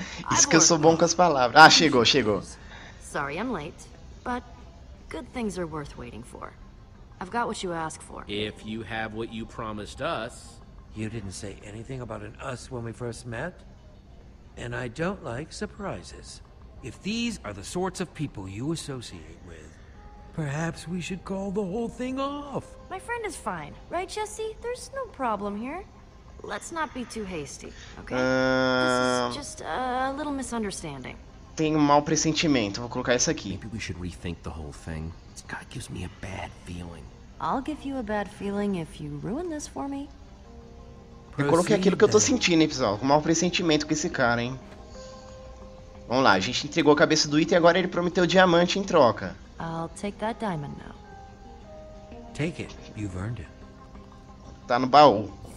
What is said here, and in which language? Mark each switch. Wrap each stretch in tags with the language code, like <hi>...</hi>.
<pt>Isso que eu sou bom com as palavras. Ah, chegou, chegou.</pt> <en>Sorry, I'm late, but good things are worth waiting for. I've got what you asked for. If you have what you promised us. You didn't say anything about an us when we first met. And I don't like surprises. If these are the sorts of people you associate with, perhaps we should call the whole thing off. My friend is fine, right, Jesse? There's no problem here. Let's not be too hasty, okay? This is just a little misunderstanding.</en> <pt>Tenho um mau pressentimento. Vou colocar isso aqui.</pt> <en>Maybe we should rethink the whole thing. God gives me a bad feeling. I'll give you a bad feeling if you ruin this for me.</en> <pt>Eu coloquei aquilo que eu tô sentindo, hein, pessoal. Com mau pressentimento com esse cara, hein. Vamos lá, a gente entregou a cabeça do item e agora ele prometeu diamante em troca.</pt> <en>I'll take that diamond now. Take it. You've earned it.</en> <pt>Tá no baú.</pt>